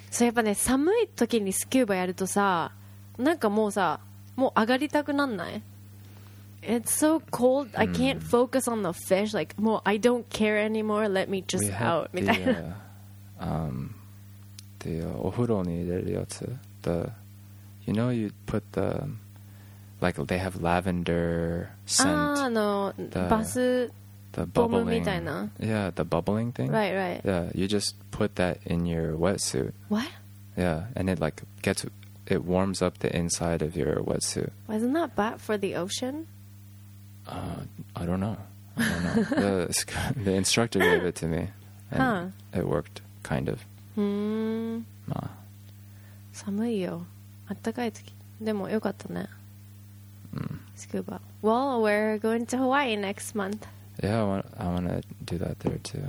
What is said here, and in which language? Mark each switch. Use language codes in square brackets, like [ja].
[ja] そう、やっぱね、寒い時にスキューバやるとさ、なんかもうさ、もう上がりたくなんない。 [en] It's so cold. I can't focus on the fish. Like, もう I don't care anymore. Let me just out. [ja] みたいな。で、お風呂に入れるやつ。 [en] The... You know, you put the, like, they have lavender scent. Ah, no, the bubbling. Yeah, the bubbling thing. Right. Yeah, you just put that in your wetsuit. What? Yeah, and it, like, it warms up the inside of your wetsuit. Isn't that bad for the ocean? I don't know. the instructor gave it to me. And it worked, kind of. [ja] Nah. 寒いよ。暖かい時でもよかったね、スクーバー。 [en] Well, we're going to Hawaii next month. Yeah, I want to do that there too.